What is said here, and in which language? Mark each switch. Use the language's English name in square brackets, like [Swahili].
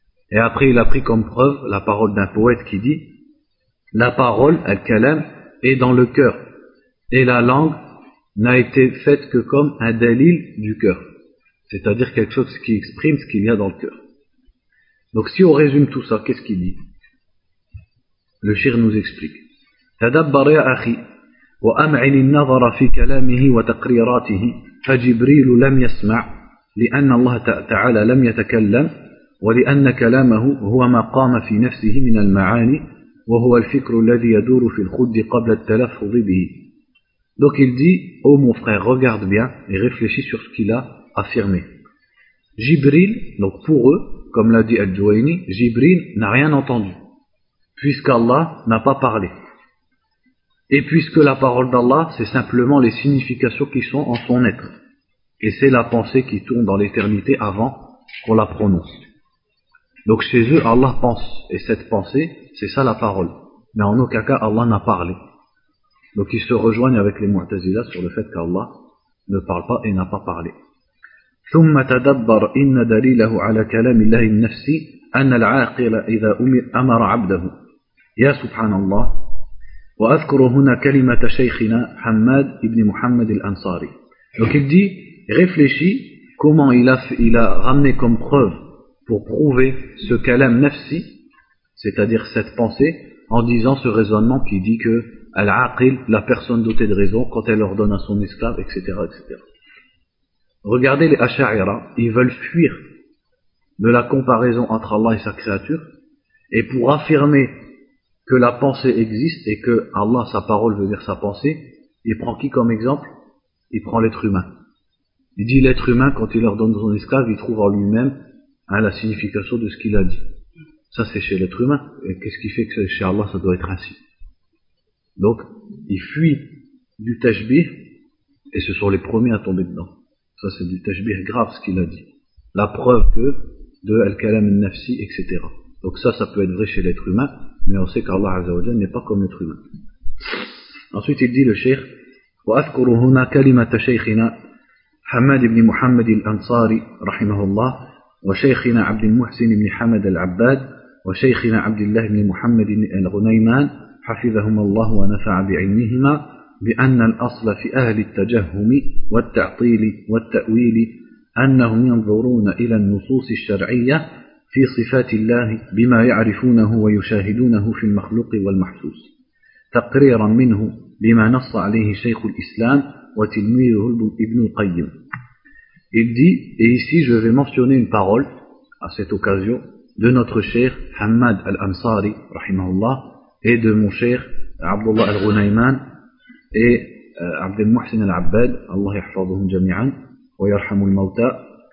[French] Et après, il a pris comme preuve la parole d'un poète qui dit « La parole, Al-Kalam, est dans le cœur. » Et la langue n'a été faite que comme un dalil du cœur. C'est-à-dire quelque chose qui exprime ce qu'il y a dans le cœur. Donc si on résume tout ça, qu'est-ce qu'il dit? Le shir nous explique. [Arabic] تدبر يا أخي وأمعن النظر في كلامه وتقريراته فجبريل لم يسمع لأن الله تعالى لم يتكلم ولأن كلامه هو ما قام في نفسه من المعاني وهو الفكر الذي يدور في الخد قبل التلفظ به. [French] Donc il dit, ô mon frère, regarde bien et réfléchis sur ce qu'il a affirmé. Jibril, donc pour eux, comme l'a dit Al-Juwayni, Jibril n'a rien entendu, puisqu'Allah n'a pas parlé. Et puisque la parole d'Allah, c'est simplement les significations qui sont en son être. Et c'est la pensée qui tourne dans l'éternité avant qu'on la prononce. Donc chez eux, Allah pense, et cette pensée, c'est ça la parole. Mais en aucun cas, Allah n'a parlé. Donc ils se rejoignent avec les Mu'tazila sur le fait qu'Allah ne parle pas et n'a pas parlé. [Arabic] ثم تدبر إن دليله على كلام الله النفسي أن العاقل إذا أمر عبده يا سبحان الله وأذكر هنا كلمة شيخنا حماد ابن محمد الأنصاري. [French] Donc il dit, réfléchis comment il a ramené comme preuve pour prouver ce kalam nafsi, c'est-à-dire cette pensée, en disant ce raisonnement qui dit que Al-Aqil, la personne dotée de raison, quand elle ordonne à son esclave, etc. Regardez les Asha'ira, ils veulent fuir de la comparaison entre Allah et sa créature, et pour affirmer que la pensée existe et que Allah, sa parole veut dire sa pensée, il prend qui comme exemple? Il prend l'être humain. Il dit l'être humain, quand il leur donne son esclave, il trouve en lui-même hein, la signification de ce qu'il a dit. Ça c'est chez l'être humain, et qu'est-ce qui fait que chez Allah ça doit être ainsi? Donc, ils fuient du tashbih, et ce sont les premiers à tomber dedans. Ça c'est du tashbih grave ce qu'il a dit. La preuve que de Al-Kalam al-Nafsi, etc. Donc ça, ça peut être vrai chez l'être humain, mais on sait qu'Allah Azza wa Jalla n'est pas comme l'être humain. Ensuite il dit le shaykh, [Arabic] وَأَذْكُرُ هُنَا كَلِمَةَ شَيْخِنَا حَمَّدِ بْنِ مُحَمَّدِ الْأَنْصَارِ رَحِمَهُ اللَّهِ وشيخنا عبد المحسن بن حمد العباد وشيخنا عبد الله بن محمد الغنيمان حفظهما الله ونفع بعلمهما بأن الأصل في أهل التجهم والتعطيل والتأويل أنهم ينظرون إلى النصوص الشرعية في صفات الله بما يعرفونه ويشاهدونه في المخلوق والمحسوس تقريرا منه بما نص عليه شيخ الإسلام وتلميذه ابن القيم. [French] Il dit, et ici je vais mentionner une parole, à cette occasion, de notre cher Hamad al-Ansari, rahimahullah, et de mon cher Abdullah al-Ghunayman, et Abdel Muhsin al-Abbad, [Arabic] Allah yahfadhum jami'an, wa yarhamul mawta,